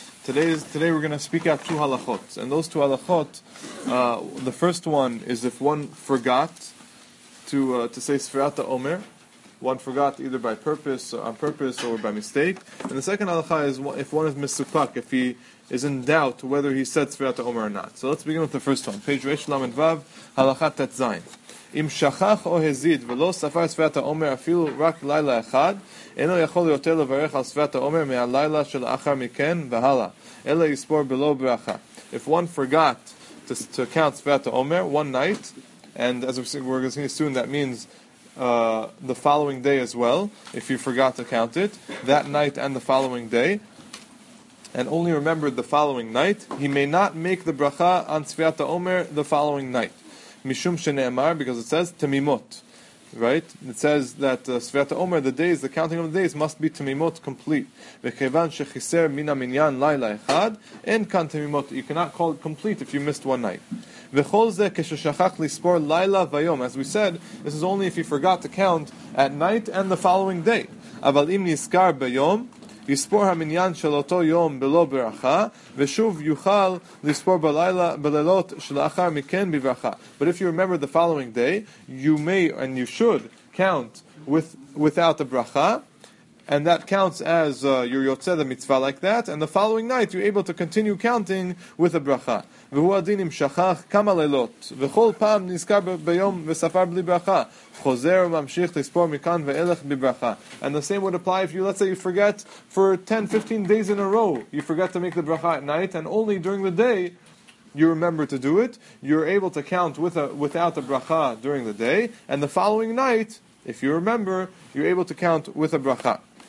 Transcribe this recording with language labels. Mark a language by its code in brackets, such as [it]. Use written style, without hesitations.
[en] Today we're going to speak out two halachot. And those two halachot, the first one is if one forgot to say Sefirat HaOmer, one forgot either by purpose, on purpose, or by mistake. And the second halacha is if one is misukak, if he is in doubt whether he said Sefirat HaOmer or not. So let's begin with the first one. [he] Page Resh Lamed Vav, halachat Tet Zayin. אם שכח או הזיד ולא ספר ספירת העומר אפילו רק לילה אחד, אינו יכול יותר לברך על ספירת העומר מהלילה של אחר מכן והלאה, אלא יספור בלא ברכה. [en] If one forgot to count ספירת העומר one night, and as we're going to see soon, that means the following day as well, if you forgot to count it, that night and the following day, and only remembered the following night, he may not make the bracha on ספירת העומר the following night. [he] Mishum sheneemar, [en] because it says temimot, right? It says that Sefirat HaOmer, the days, the counting of the days, must be temimot, complete. [he] Vekevan shechiser mina minyan laila echad, en kan temimot, [en] you cannot call it complete if you missed one night. [he] Vechol ze keshashachach lispor laila vayom, [en] as we said, this is only if you forgot to count at night and the following day. [he] Aval im niskar bayom, יספור המניין של אותו יום בלא ברכה, ושוב יוכל לספור בלילה, בלילות שלאחר מכן בברכה. [en] But if you remember the following day, you may and you should count without a bracha, and that counts as your yotze, the mitzvah like that, and the following night you're able to continue counting with a bracha. [he] והוא הדין אם שכח כמה לילות, וכל פעם נזכר ביום וספר בלי ברכה. חוזר וממשיך לספור מכאן ואילך בברכה. [en] And the same would apply if you, let's say you forget for 10-15 days in a row, you forget to make the bracha at night, and only during the day you remember to do it, you're able to count without a bracha during the day, and the following night, if you remember, you're able to count with a bracha.